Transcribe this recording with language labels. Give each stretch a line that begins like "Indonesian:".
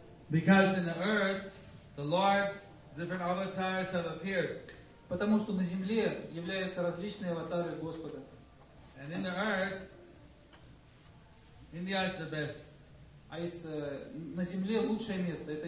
English: Because in the earth, the Lord, different avatars have appeared.
Russian: Потому что на земле являются различные аватары Господа.
English: And in the earth, India is the best.
Russian: А из на земле лучшее место это